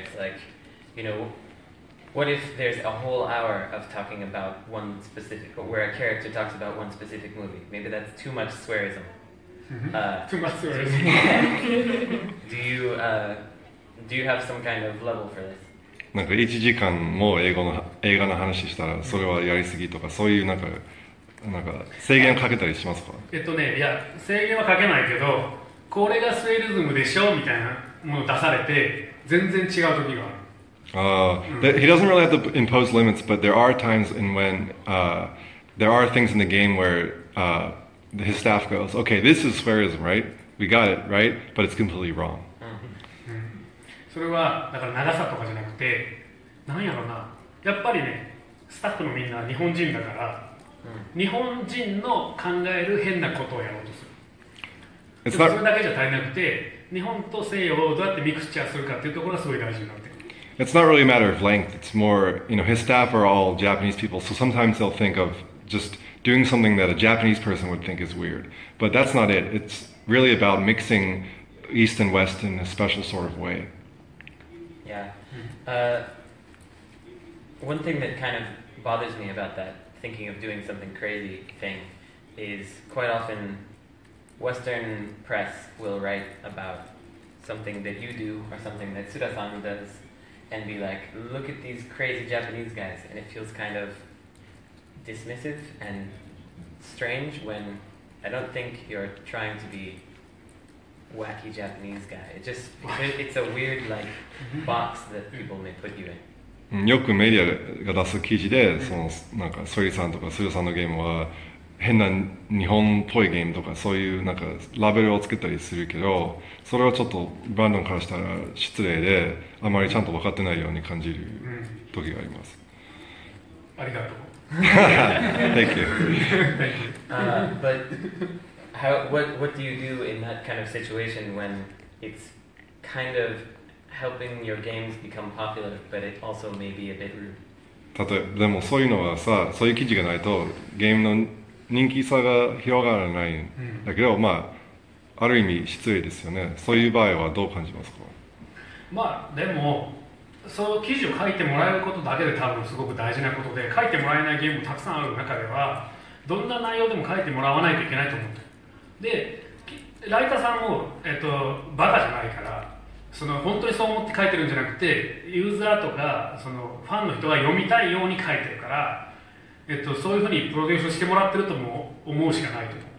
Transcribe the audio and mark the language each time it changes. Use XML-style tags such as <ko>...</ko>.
<en>It's like, you know, what if there's a whole hour of talking about one specific, or where a character talks about one specific movie? Maybe that's too much swearism. Too much swearism. Do you have some kind of level for this?</en> <ja>なんか1時間も映画の話したらそれはやりすぎとかそういうなんか制限かけたりしますか？いや制限はかけないけど、これがスウェリズムでしょみたいなものを出されて全然違う時がある。</ja> <en>He doesn't really have to impose limits, but there are times in when there are things in the game where his staff goes, okay, this is swearism, right? We got it, right? But it's completely wrong.</en> <ja>それはだから長さとかじゃなくて、なんやろな、やっぱりね、スタッフのみんな日本人だから、日本人の考える変なことをやろうとする。それだけじゃ足りなくて、日本と西洋をどうやってミクスチャーするかっていうところがすごい大事になってくる。</ja> <en>It's not really a matter of length, it's more, you know, his staff are all Japanese people, so sometimes they'll think of just doing something that a Japanese person would think is weird. But that's not it, it's really about mixing East and West in a special sort of way. Yeah. One thing that kind of bothers me about that, thinking of doing something crazy thing, is quite often Western press will write about something that you do or something that Suda-san does, and be like, look at these crazy Japanese guys, and it feels kind of dismissive and strange when I don't think you're trying to be wacky Japanese guy. It just, it's a weird like box that people may put you in.</en> <ja>よくメディアが出す記事で、そのなんかSWERYさんとかSUYOさんのゲームは変な日本っぽいゲームとかそういうなんかラベルを作ったりするけど、それはちょっとバンドンからしたら失礼で、あまりちゃんと分かってないように感じる時があります。ありがとう。</ja> <en>Thank you. But how, what do you do in that kind of situation when it's kind of helping your games become popular, but it also may be a bit rude?</en> <ja>例えばでもそういうのはさ、そういう記事がないとゲームの人気さが広がらないんだけど、まあある意味失礼ですよね。そういう場合はどう感じますか？まあでもその記事を書いてもらえることだけで多分すごく大事なことで、書いてもらえないゲームもたくさんある中ではどんな内容でも書いてもらわないといけないと思って、でライターさんも、バカじゃないから、その本当にそう思って書いてるんじゃなくて、ユーザーとかそのファンの人が読みたいように書いてるから、そういうふうにプロデュースしてもらってるとも思うしかないと。</ja>